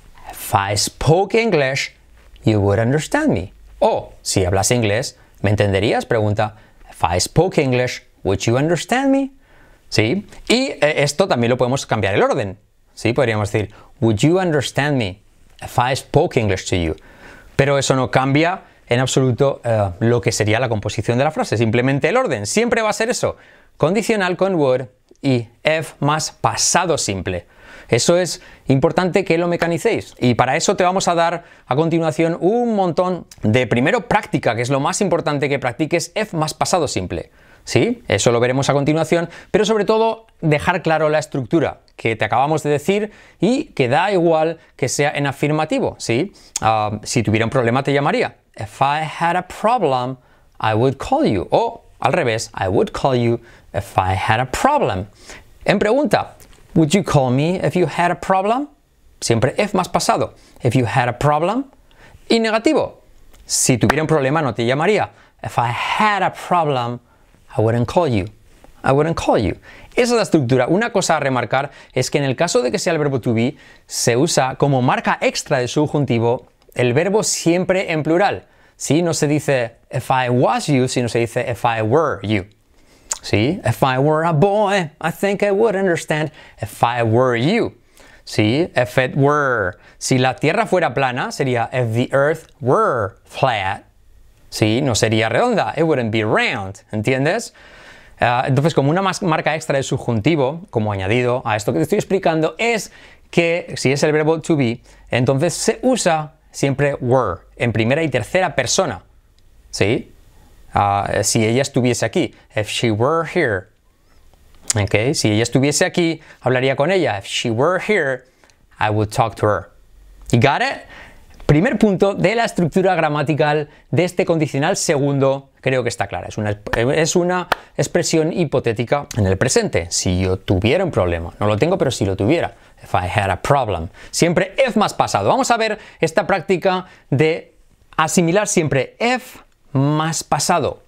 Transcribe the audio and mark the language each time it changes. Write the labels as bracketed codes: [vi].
[en] If I spoke English, you would understand me. [es] O, si hablase inglés, me entenderías, pregunta. [en] If I spoke English, would you understand me? [es] ¿Sí? Y esto también lo podemos cambiar el orden. ¿Sí? Podríamos decir, [en] would you understand me if I spoke English to you? [es] Pero eso no cambia en absoluto lo que sería la composición de la frase, simplemente el orden. Siempre va a ser eso. Condicional con would y if más pasado simple. Eso es importante que lo mecanicéis. Y para eso te vamos a dar a continuación un montón de, primero, práctica, que es lo más importante que practiques, if más pasado simple. ¿Sí? Eso lo veremos a continuación, pero sobre todo dejar claro la estructura que te acabamos de decir y que da igual que sea en afirmativo, ¿sí? Si tuviera un problema te llamaría. [en] If I had a problem, I would call you. [es] O al revés, [en] I would call you if I had a problem. [es] En pregunta, [en] would you call me if you had a problem? [es] Siempre if más pasado. [en] If you had a problem. [es] Y negativo, si tuviera un problema no te llamaría. [en] If I had a problem, I wouldn't call you. I wouldn't call you. [es] Esa es la estructura. Una cosa a remarcar es que en el caso de que sea el verbo to be, se usa como marca extra de subjuntivo el verbo siempre en plural. ¿Sí? No se dice [en] if I was you, [es] sino se dice [en] if I were you. [es] ¿Sí? [en] If I were a boy, I think I would understand if I were you. [es] ¿Sí? [en] If it were. [es] Si la tierra fuera plana, sería [en] if the earth were flat. [es] Sí, no sería redonda. [en] It wouldn't be round. [es] ¿Entiendes? Entonces, como una marca extra de subjuntivo, como añadido a esto que te estoy explicando, es que si es el verbo to be, entonces se usa siempre were en primera y tercera persona. ¿Sí? Si ella estuviese aquí. [en] If she were here. Okay. [es] Si ella estuviese aquí, hablaría con ella. [en] If she were here, I would talk to her. You got it? [es] Primer punto de la estructura gramatical de este condicional segundo, creo que está clara. Es una expresión hipotética en el presente. Si yo tuviera un problema. No lo tengo, pero si lo tuviera. [en] If I had a problem. [es] Siempre if más pasado. Vamos a ver esta práctica de asimilar siempre if más pasado.